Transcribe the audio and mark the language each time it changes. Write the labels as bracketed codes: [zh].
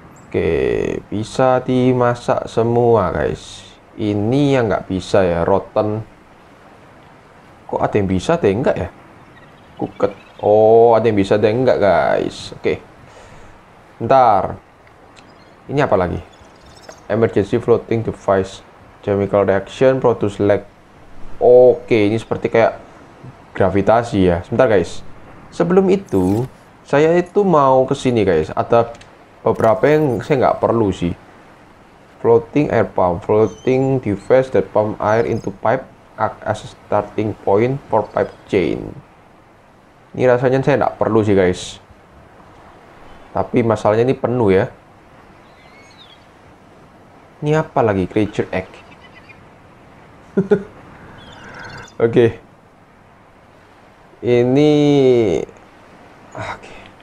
[id] Oke, bisa dimasak semua guys. Ini yang nggak bisa ya, rotten. Kok ada yang bisa, ada yang nggak ya? Kuket. Oh, ada yang bisa, ada yang nggak guys. Oke. Ntar. Ini apa lagi? [en] Emergency floating device. Chemical reaction produce lag. [id] Oke, ini seperti kayak gravitasi ya. Sebentar guys. Sebelum itu, saya itu mau ke sini guys. Ada beberapa yang saya nggak perlu sih. [en] Floating air pump, floating device that pump air into pipe as a starting point for pipe chain. [id] Ini rasanya saya nggak perlu sih guys. Tapi masalahnya ini penuh ya. Ini apa lagi? Creature egg. Oke. Ini oke.